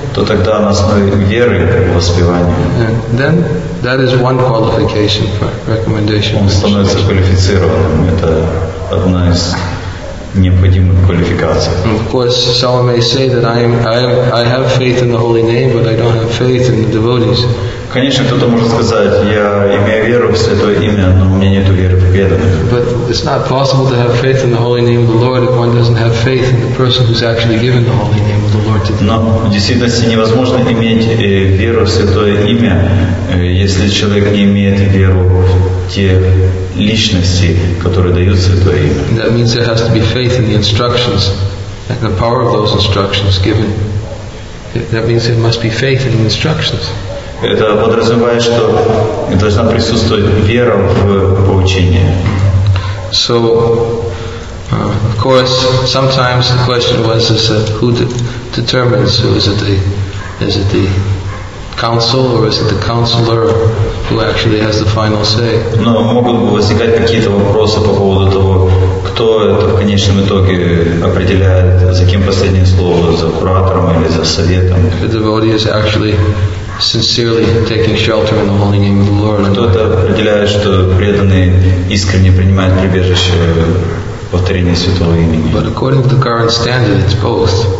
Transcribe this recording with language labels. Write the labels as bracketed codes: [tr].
[ru] то тогда на основе веры воспевания. [en] Then that is one qualification for recommendation. [ru] Он становится квалифицированным. Это одна из необходимых квалификаций. [en] Of course, someone may say that I have faith in the holy name, but I don't have faith in the devotees. [ru] Конечно, кто-то может сказать, я имею веру в Святое Имя, но у меня нет веры в преданных. [en] But it's not possible to have faith in the holy name of the Lord if one doesn't have faith in the person who's actually given the holy name of the Lord to them. [ru] Но в действительности невозможно иметь веру в Святое Имя, если человек не имеет веру в те личности, которые дают Святое Имя. [en] That means there has to be faith in the instructions and the power of those instructions given. That means there must be faith in the instructions. [ru] Это подразумевает, что должна присутствовать вера в поучение. [en] So, of course, sometimes the question was, who determines? So is it the council or is it the counselor who actually has the final say? [ru] Но могут возникать какие-то вопросы по поводу того, кто это в конечном итоге определяет, за кем последнее слово, за куратором или за советом. [en] The devotee is actually sincerely taking shelter in the holy name of the Lord. [ru] Кто-то определяет, что преданные искренне принимают прибежище в повторении святого имени. [en] But according to the current standard, it's both.